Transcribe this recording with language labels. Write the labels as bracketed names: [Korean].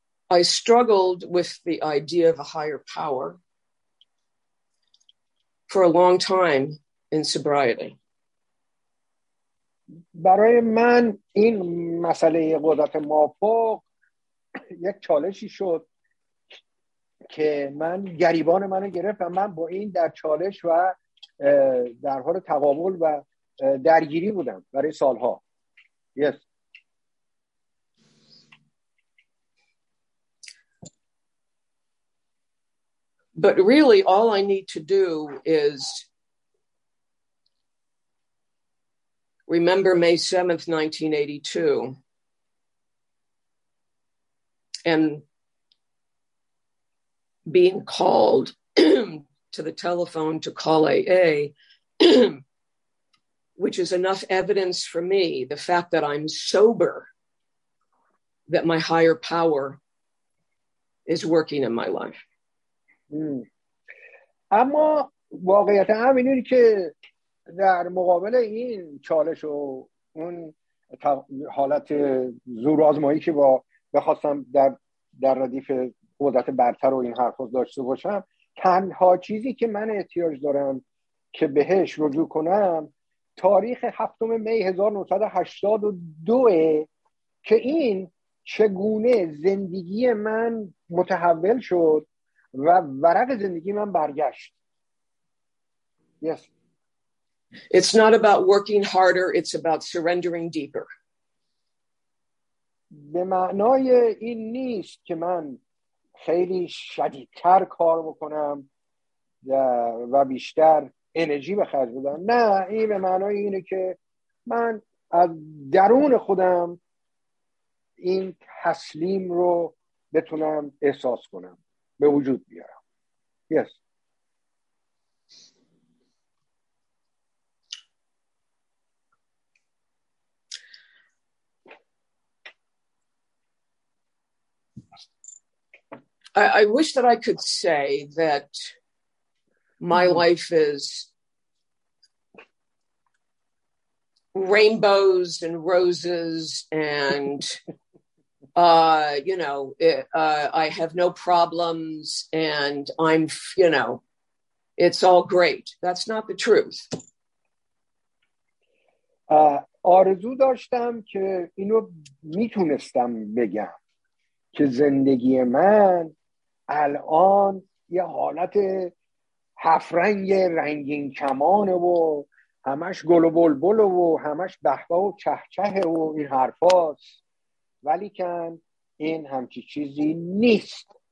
[English] I struggled with the idea of a higher power for a long time in sobriety. [Persian] برای من این مسئله قدرت مافوق یک چالشی شد که من گریبان منو گرفت و من با این در چالش و در حال تقابل و درگیری بودم برای سالها. [English] Yes. But really, all I need to do is remember May 7th, 1982, and being called to the telephone to call AA, which is enough evidence for me, the fact that I'm sober, that my higher power is working in my life. [Persian] اما واقعیت هم این اینه که در مقابل این چالش و اون حالت زورآزمایی که با بخواستم در ردیف قدرت برتر و این حرف رو داشته باشم، تنها چیزی که من احتیاج دارم که بهش رجوع کنم تاریخ 7 می 1982 که این چگونه زندگی من متحول شد و ورق زندگی من برگشت. [English] Yes. It's not about working harder, it's about surrendering deeper. [Persian] به معنای این نیست که من خیلی شدیدتر کار بکنم و بیشتر انرژی به خرج بدم. نه، این به معنای اینه که من از درون خودم این تسلیم رو بتونم احساس کنم، به وجود بیارم. [English] Yes. I wish that I could say that my life is rainbows and roses and, you know, I have no problems and I'm, you know, it's all great. That's not the truth. [Persian] آرزو داشتم که اینو میتونستم بگم که زندگی من الان یه حالت هفرنگ رنگین کمانه و همش گل و بلبل و همش بهبه و چهچه و این حرفاست، ولی کن این همچی چیزی نیست.